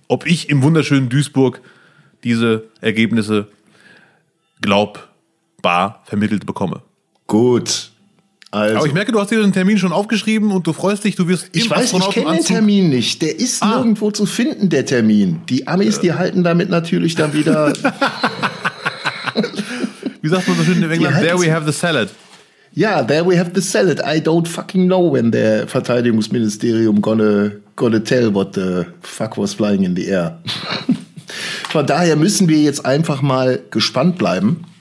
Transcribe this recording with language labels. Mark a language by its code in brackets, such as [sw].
[de] Ob ich im wunderschönen Duisburg diese Ergebnisse glaubbar vermittelt bekomme. Gut. Also. Aber ich merke, du hast dir den Termin schon aufgeschrieben und du freust dich, du wirst... Ich weiß, ich kenne den Termin nicht. Der ist nirgendwo zu finden, der Termin. Die Amis, die halten damit natürlich dann wieder... Wie sagt man so schön in England? [en] There we have the salad. [de] Ja, [en] there we have the salad. I don't fucking know when the Verteidigungsministerium gonna tell what the fuck was flying in the air. [de] Von daher müssen wir jetzt einfach mal gespannt bleiben,